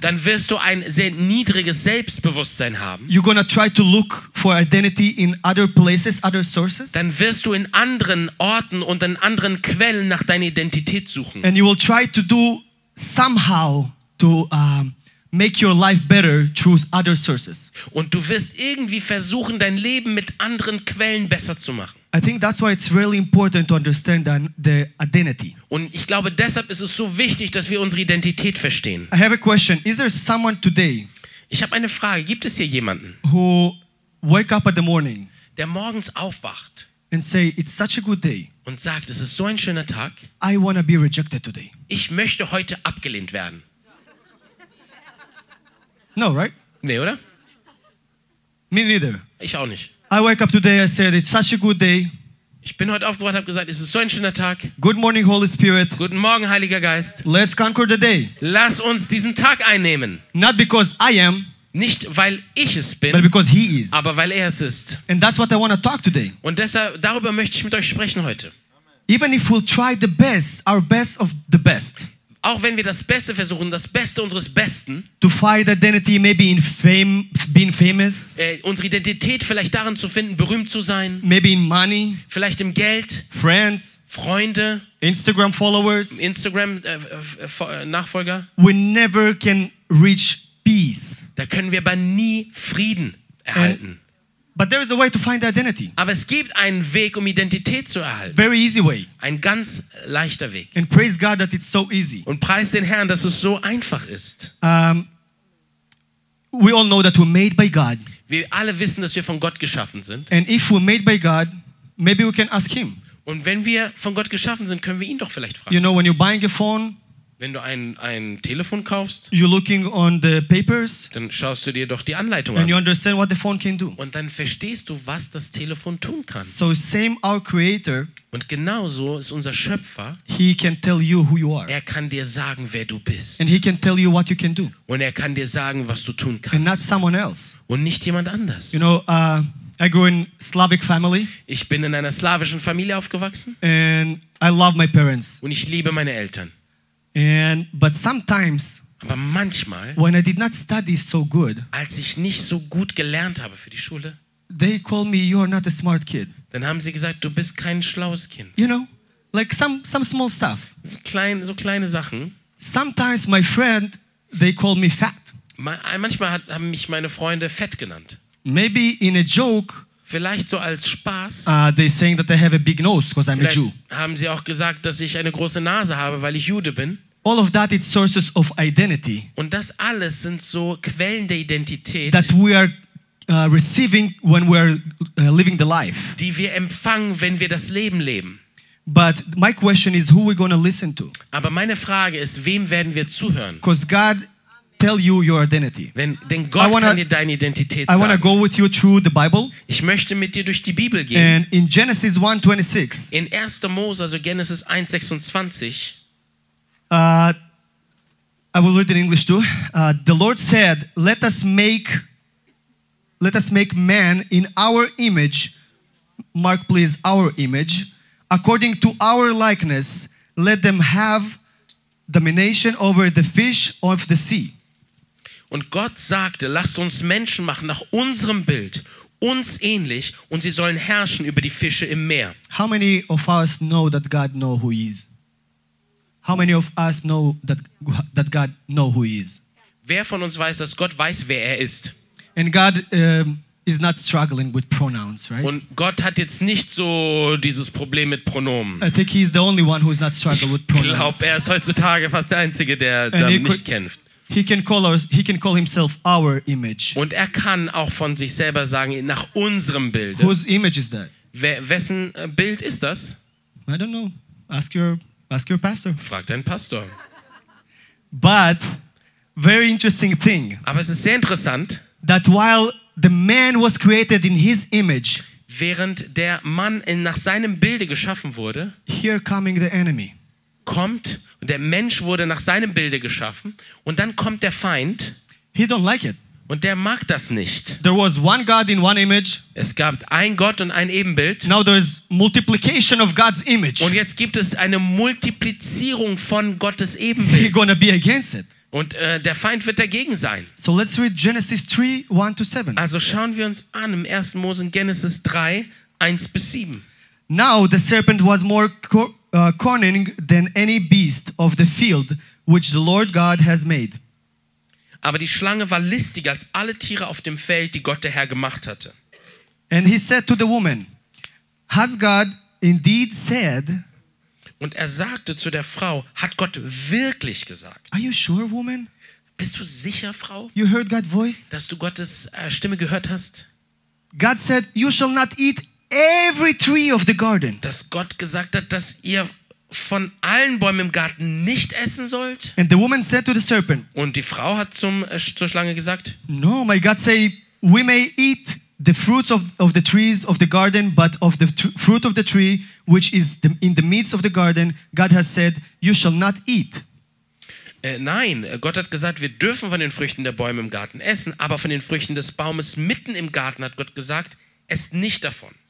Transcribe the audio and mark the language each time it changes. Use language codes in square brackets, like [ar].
[de] Dann wirst du ein sehr niedriges Selbstbewusstsein haben. [en] You're gonna try to look for identity in other places, other sources. [de] Dann wirst du in anderen Orten und in anderen Quellen nach deiner Identität suchen. [en] And you will try to do somehow to make your life better through other sources. [de] Und du wirst irgendwie versuchen, dein Leben mit anderen Quellen besser zu machen. [en] I think that's why it's really important to understand the identity. [de] Und ich glaube, deshalb ist es so wichtig, dass wir unsere Identität verstehen. [en] I have a question. Is there someone today? [de] Ich habe eine Frage. Gibt es hier jemanden? [en] Who wake up at the morning? [de] Der morgens aufwacht. [en] And say it's such a good day. [de] Und sagt, es ist so ein schöner Tag. [en] I want to be rejected today. [de] Ich möchte heute abgelehnt werden. [en] No, right? [de] Nee, oder? [en] Me neither. [de] Ich auch nicht. [en] I wake up today, I said, it's such a good day. [de] Ich bin heute aufgewacht, habe gesagt, es ist so ein schöner Tag. [en] Good morning, Holy Spirit. [de] Guten Morgen, Heiliger Geist. [en] Let's conquer the day. [de] Lass uns diesen Tag einnehmen. [en] Not because I am. [de] Nicht, weil ich es bin. [en] But because he is. [de] Aber weil er es ist. [en] And that's what I want to talk today. [de] Und deshalb, darüber möchte ich mit euch sprechen heute. [en] Even if we'll try the best, our best of the best. [de] Auch wenn wir das Beste versuchen, das Beste unseres Besten, [en] to find identity maybe in fame, being famous, [de] unsere Identität vielleicht darin zu finden, berühmt zu sein, [en] maybe in money, [de] vielleicht im Geld, [en] friends, [de] Freunde, [en] Instagram followers, [de] Instagram Nachfolger, [en] we never can reach peace. [de] Da können wir aber nie Frieden erhalten. [en] But there is a way to find identity. [de] Aber es gibt einen Weg, um Identität zu erhalten. [en] Very easy way. [de] Ein ganz leichter Weg. [en] And praise God that it's so easy. [de] Und preist den Herrn, dass es so einfach ist. [en] We all know that we're made by God. [de] Wir alle wissen, dass wir von Gott geschaffen sind. [en] And if we're made by God, maybe we can ask him. [de] Und wenn wir von Gott geschaffen sind, können wir ihn doch vielleicht fragen. [en] You know, when you're buying a phone, [de] wenn du ein Telefon kaufst, [en] you're looking on the papers, [de] dann schaust du dir doch die Anleitung [en] and [de] an. [en] You understand what the phone can do. [de] Und dann verstehst du, was das Telefon tun kann. [en] So same our creator, [de] und genauso ist unser Schöpfer. [en] He can tell you who you are. [de] Er kann dir sagen, wer du bist. [en] And he can tell you what you can do. [de] Und er kann dir sagen, was du tun kannst. [en] And not someone else. [de] Und nicht jemand anders. [en] You know, I grew in Slavic family. [de] Ich bin in einer slawischen Familie aufgewachsen. [en] And I love my parents. [de] Und ich liebe meine Eltern. [en] And but sometimes, [de] aber manchmal, [en] when I did not study so good, [de] als ich nicht so gut gelernt habe für die Schule, [en] they call me, you are not a smart kid. [de] Dann haben sie gesagt, du bist kein schlaues Kind. [en] You know, like some small stuff. [de] So kleine Sachen. [en] Sometimes my friend, they call me fat. [de] Manchmal haben mich meine Freunde fett genannt. [en] Maybe in a joke, [de] vielleicht so als Spaß, [en] they saying that I have a big nose because I'm a Jew. [de] Haben sie auch gesagt, dass ich eine große Nase habe, weil ich Jude bin. [en] All of that is sources of identity. [de] Und das alles sind so Quellen der Identität, [en] that we are receiving when we are living the life. [de] Die wir empfangen, wenn wir das Leben leben. [en] But my question is, who we going to listen to? [de] Aber meine Frage ist, wem werden wir zuhören? [en] Because God tell you your identity. [de] Denn Gott kann dir deine Identität sagen. [en] I want to go with you through the Bible. [de] Ich möchte mit dir durch die Bibel gehen. [en] And in Genesis 1:26. [de] In 1. Mose, also Genesis 1:26. [en] I will read it in English too. The Lord said, "Let us make man in our image, mark please our image, according to our likeness. Let them have domination over the fish of the sea." [de] Und Gott sagte, lasst uns Menschen machen nach unserem Bild, uns ähnlich, und sie sollen herrschen über die Fische im Meer. [en] How many of us know that God know who he is? How many of us know that God know who he is? [de] Wer von uns weiß, dass Gott weiß, wer er ist? [en] And God is not struggling with pronouns, right? [de] Und Gott hat jetzt nicht so dieses Problem mit Pronomen. [en] I think he's the only one who's not struggling with pronouns. [de] Ich glaube, er ist heutzutage fast der Einzige, der damit nicht kämpft. [en] He can call himself our image. [de] Und er kann auch von sich selber sagen, nach unserem Bild. [en] Whose image is that? [de] Wessen Bild ist das? [en] I don't know. Ask your pastor. [de] Frag deinen Pastor. [en] But very interesting thing. [de] Aber es ist sehr interessant, [en] that while the man was created in his image, [de] während der Mann nach seinem Bilde geschaffen wurde, [en] here coming the enemy. [de] Kommt, und der Mensch wurde nach seinem Bilde geschaffen, und dann kommt der Feind. [en] He don't like it. [de] Und der mag das nicht. [en] There was one God in one image. [de] Es gab ein Gott und ein Ebenbild. [en] Now there is multiplication of God's image. [de] Und jetzt gibt es eine Multiplizierung von Gottes Ebenbild. [en] He gonna be against it. [de] Und der Feind wird dagegen sein. [en] So let's read Genesis 3:1-7. [de] Also schauen wir uns an im 1. Mose in Genesis 3:1-7. [en] Now the serpent was more cunning than any beast of the field which the Lord God has made. [de] Aber die Schlange war listiger als alle Tiere auf dem Feld, die Gott der Herr gemacht hatte. [en] And he said to the woman, has God indeed said? [de] Und er sagte zu der Frau, hat Gott wirklich gesagt? [en] Are you sure, woman? [de] Bist du sicher, Frau? [en] You heard God's voice? [de] Dass du Gottes Stimme gehört hast? [en] God said, you shall not eat every tree of the garden. [de] Dass Gott gesagt hat, dass ihr von allen Bäumen im Garten nicht essen sollt. [en] And the woman said to the serpent. [de] Und die Frau hat zur Schlange gesagt. [en] No, my God say, we may eat the fruits of the trees of the garden, but of the fruit of the tree which is in the midst of the garden, God has said, you shall not eat. [de] Nein, Gott hat gesagt, wir dürfen von den Früchten der Bäume im Garten essen, aber von den Früchten des Baumes mitten im Garten hat Gott gesagt, esst nicht davon.